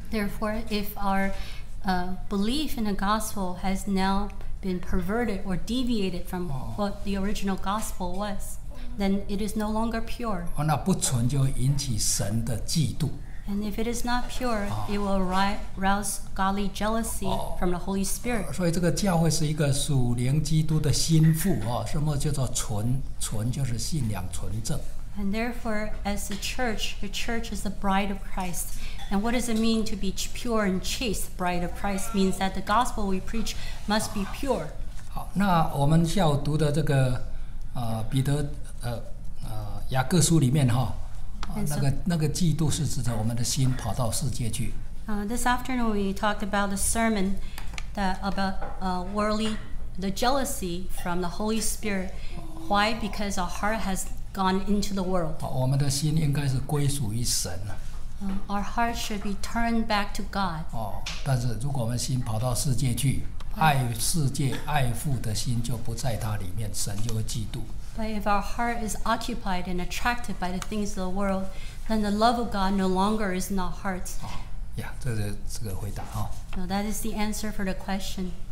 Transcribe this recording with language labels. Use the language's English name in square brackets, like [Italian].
[English] Therefore, if our belief in the gospel has now been perverted or deviated from what the original gospel was, then it is no longer pure. [Chinese] 那不纯就引起神的嫉妒。 [English] And if it is not pure, it will rouse godly jealousy from the Holy Spirit. [Chinese] 所以这个教会是一个属灵基督的心腹什么叫做纯？纯就是信仰纯正。 [English] And therefore, as the church is the bride of Christ. And what does it mean to be pure and chaste bride of Christ? Means that the gospel we preach must be pure. [Chinese] 好，那我们下午读的这个彼得雅各书里面那个嫉妒是指着我们的心跑到世界去。 [English] This afternoon we talked about the sermon that about worldly the jealousy from the Holy Spirit. Why? Because our heart has gone into the world. [Chinese] 好，我们的心应该是归属于神。 [English] Our heart should be turned back to God. [Chinese] 但是如果我们心跑到世界去，爱世界、爱父的心就不在它里面，神就会嫉妒。 [English] But if our heart is occupied and attracted by the things of the world, then the love of God no longer is in our hearts. [Chinese] 这个回答, [English] Now that is the answer for the question.